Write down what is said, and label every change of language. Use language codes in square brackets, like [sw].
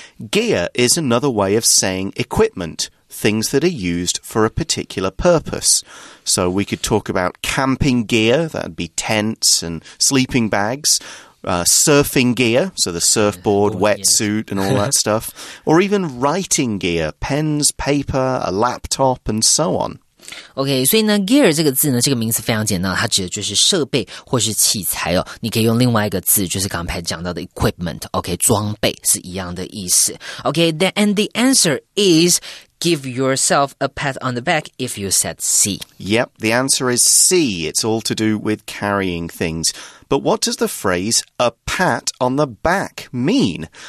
[en] Gear is another way of saying equipment, things that are used for a particular purpose. So we could talk about camping gear, that'd be tents and sleeping bags, surfing gear, so the surfboard, wetsuit and all that stuff, or even writing gear, pens, paper, a laptop and so on. [zh] OK, 所以呢 gear 这个字呢这个名词非常简单，它指的就是设备或是器材哦。你可以用另外一个字，就是刚才讲到的 equipment, OK, 装备是一样的意思。 [en] OK, then, and the answer is give yourself a pat on the back if you said C. Yep, the answer is C. It's all to do with carrying things. But what does the phrase a pat on the back mean?